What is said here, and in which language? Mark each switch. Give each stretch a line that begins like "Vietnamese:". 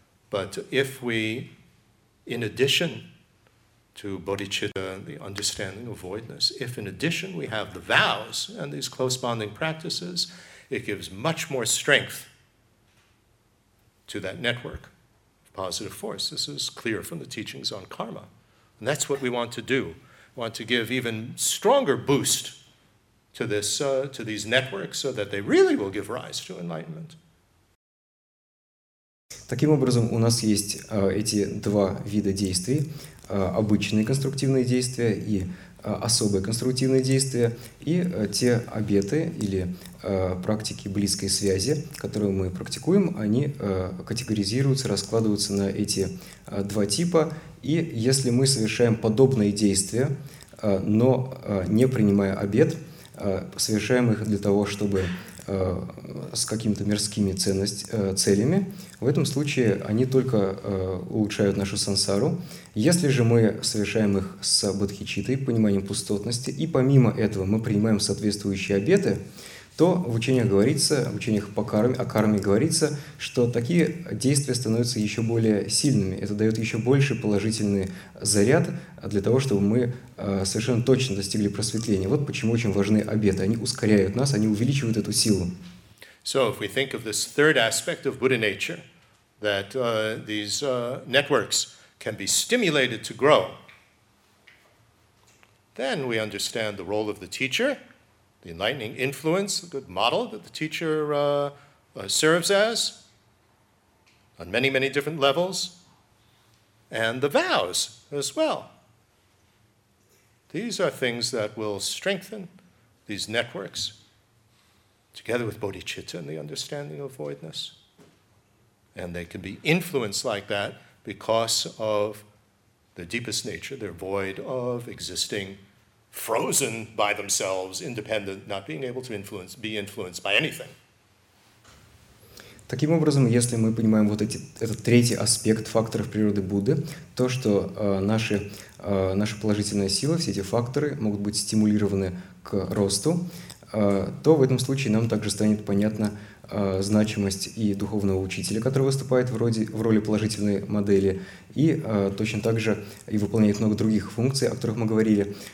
English: But if we, in addition to bodhicitta and the understanding of voidness, if in addition we have the vows and these close bonding practices, it gives much more strength to that network of positive force. This is clear from the teachings on karma. And that's what we want to do. We want to give even stronger boost to this, to these networks, so that they really will give rise to enlightenment.
Russian: Таким образом, у нас есть эти два вида действий: обычные конструктивные действия и особые конструктивные действия, и те обеты или практики близкой связи, которые мы практикуем, они категоризируются, раскладываются на эти два типа. И если мы совершаем подобные действия, но не принимая обет, совершаем их для того, чтобы с какими-то мирскими целями, в этом случае они только улучшают нашу сансару. Если же мы совершаем их с бодхичиттой, пониманием пустотности, и помимо этого мы принимаем соответствующие обеты, то в учениях говорится, в учениях по карме, о карме говорится, что такие действия становятся еще более сильными. Это дает еще больше положительный заряд для того, чтобы мы совершенно точно достигли просветления. Вот почему очень важны обеты. Они ускоряют нас, они увеличивают эту силу.
English: So if we think of this third aspect of Buddha nature, that these networks can be stimulated to grow, then we understand the role of the teacher, the enlightening influence, the good model that the teacher serves as on many, many different levels, and the vows as well. These are things that will strengthen these networks together with bodhicitta and the understanding of voidness. And they can be influenced like that because of their deepest nature, their void of existing, frozen by themselves, independent, not being able to influence, be influenced by anything.
Russian: Таким образом, если мы понимаем вот этот третий аспект факторов природы Будды, то, что наша положительная сила, все эти факторы могут быть стимулированы к росту, то в этом случае нам также станет понятна значимость и духовного учителя, который выступает в роли положительной модели, и точно так же и выполняет много других функций, о которых мы говорили.